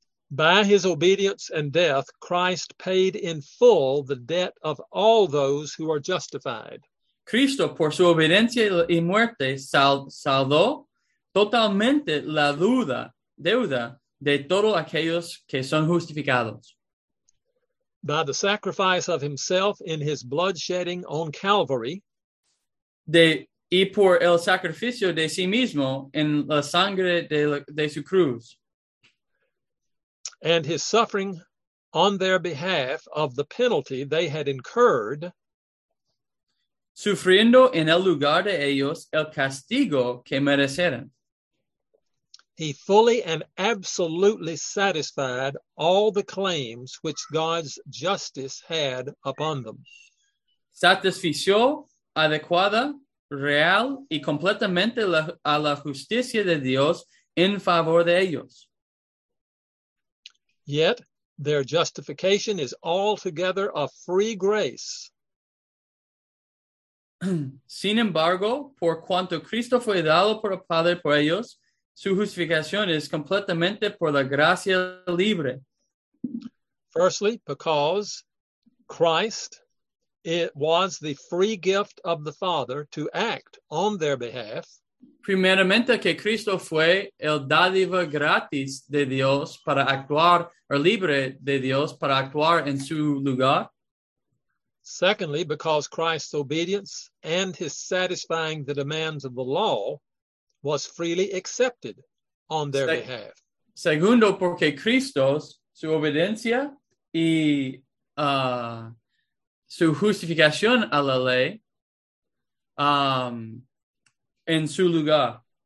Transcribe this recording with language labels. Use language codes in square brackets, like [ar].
[en] By his obedience and death, Christ paid in full the debt of all those who are justified. [es] Cristo, por su obediencia y muerte, saldó totalmente la deuda de todos aquellos que son justificados. [en] By the sacrifice of himself in his blood shedding on Calvary. [es] Y por el sacrificio de sí mismo en la sangre de su cruz. [en] And his suffering on their behalf of the penalty they had incurred. [es] Sufriendo en el lugar de ellos el castigo que merecieron. [en] He fully and absolutely satisfied all the claims which God's justice had upon them. [es] Satisfició adecuada, real y completamente a la justicia de Dios en favor de ellos. [en] Yet their justification is altogether a free grace. [es] Sin embargo, por cuanto Cristo fue dado por el Padre por ellos, su justificación es completamente por la gracia libre. [en] Firstly, because Christ, it was the free gift of the Father to act on their behalf. [es] Primeramente, que Cristo fue el dádiva gratis de Dios para actuar, o libre de Dios para actuar en su lugar. [en] Secondly, because Christ's obedience and his satisfying the demands of the law was freely accepted on their behalf. [es] Segundo, porque Cristo's su obediencia y su justificación a la ley en su lugar.